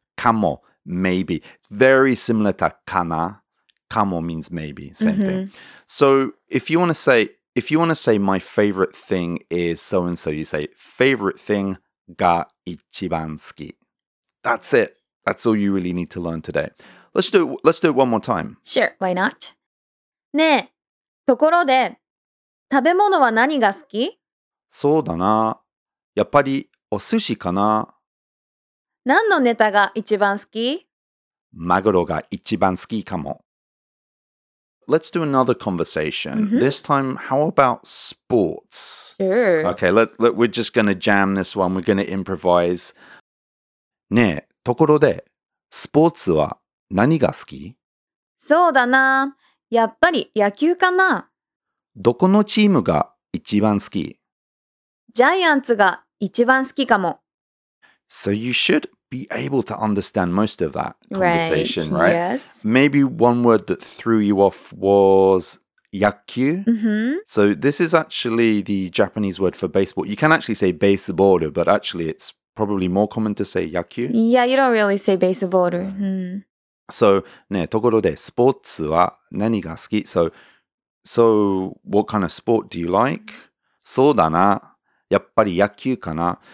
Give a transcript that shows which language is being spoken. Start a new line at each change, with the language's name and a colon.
English: Kamo, maybe. Very similar to kana. Kamo means maybe, same mm-hmm. thing. So, if you want to say my favorite thing is so and so, you say, favorite thing
Japanese: ga ichiban suki.
English: That's it. That's all you really need to learn today. Let's do it one more time. Sure, why not?
Japanese: ねえ、ところで、食べ物は何が好き？そうだな、やっぱりお寿司かな。何のネタが一番好き？マグロが一番好きかも。
English: Let's do another conversation.、Mm-hmm. This time, how about sports? Sure. Okay, we're just going to jam this one. We're going to improvise.
Japanese: ねえ、ところで、スポーツは何が好き？そうだな、やっぱり野球かな。どこのチームが一番好き？ジャイアンツが一番好きかも。
English: So you should be able to understand most of that conversation, right? Yes. Maybe one word that threw you off was 野球。 Mm-hmm. So this is actually the Japanese word for baseball. You can actually say baseball, but actually it's probably more common to say 野球。 Yeah, you don't really say baseball. Mm-hmm.
Japanese: So, ne, ところで、スポーツは何が好き?
English: So, what kind of sport do you like?
Japanese: そうだな、やっぱり野球かな。